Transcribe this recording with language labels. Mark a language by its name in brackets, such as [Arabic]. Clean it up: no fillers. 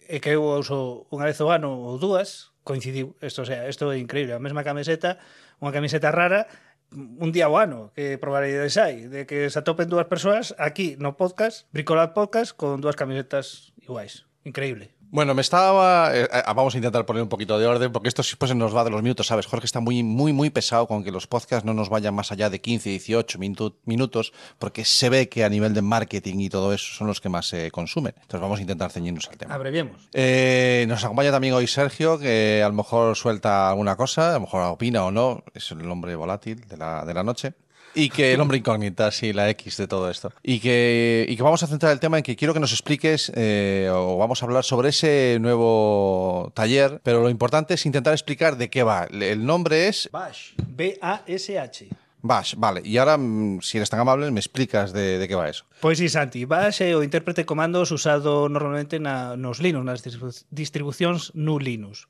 [Galician] E que eu uso unha vez o ano ou dúas, coincidiu. Isto é increíble. A mesma camiseta, unha camiseta rara, un día o ano, que probabilidades hai de que se atopen dúas persoas aquí no podcast, Bricolabs Podcast, con dúas camisetas iguais. Increíble. [Spanish] Bueno, vamos a intentar poner un poquito de orden, porque esto pues, se nos va de los minutos, ¿sabes? Jorge está muy, muy, muy pesado con que los podcasts no nos vayan más allá de 15, 18 minutos, porque se ve que a nivel de marketing y todo eso son los que más se consumen. Entonces vamos a intentar ceñirnos al tema. Abreviemos. Nos acompaña también hoy Sergio, que a lo mejor suelta alguna cosa, a lo mejor opina o no, es el hombre volátil de la noche. Y que el hombre incógnita, sí, la X de todo esto. Y que vamos a centrar el tema en que quiero que nos expliques, o vamos a hablar sobre ese nuevo taller, pero lo importante es intentar explicar de qué va. El nombre es... Bash, B-A-S-H. Bash, vale. Y ahora, si eres tan amable, me explicas de qué va eso. Pues sí, Santi. [Galician] Bash é o intérprete de comandos usado normalmente nos Linux, nas distribucións no Linux.